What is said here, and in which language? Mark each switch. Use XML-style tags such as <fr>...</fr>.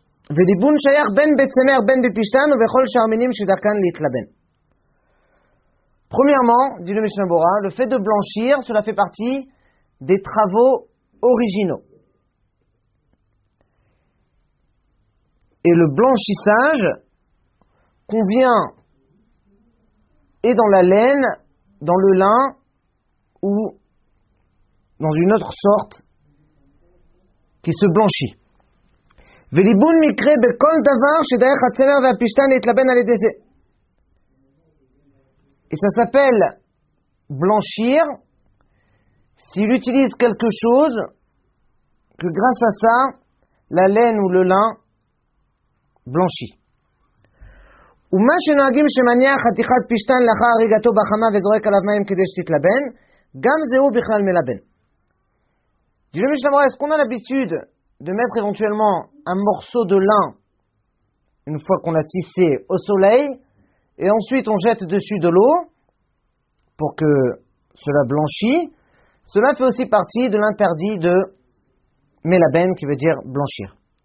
<he>ולבון שייך בין בצמר, בין בפשטן, ובכל שהרמינים שדרכן להתלבן.</he> <fr>Premièrement, dit le Mishnah Berurah, le fait de blanchir, cela fait partie des travaux originaux. Et le blanchissage convient et dans la laine, dans le lin, ou dans une autre sorte qui se blanchit.</fr> <he>וליבון מקרה בכל דבר שדרך הצמר והפשטן להתלבן על ידי זה.</he> <fr>Et ça s'appelle blanchir s'il utilise quelque chose que grâce à ça la laine ou le lin blanchit.</fr> <he>ומה שנוהגים שמניח חתיכת פשטן לאחר הריגתו בחמה וזורק עליו מים כדי שתתלבן, גם זהו בכלל מלבן.</he> <fr>Dis-le Mishnah Berurah, est-ce qu'on a l'habitude de mettre éventuellement un morceau de lin, une fois qu'on l'a tissé au soleil, et ensuite on jette dessus de l'eau, pour que cela blanchit. Cela fait aussi partie de l'interdit de melaben, qui veut dire blanchir.</fr>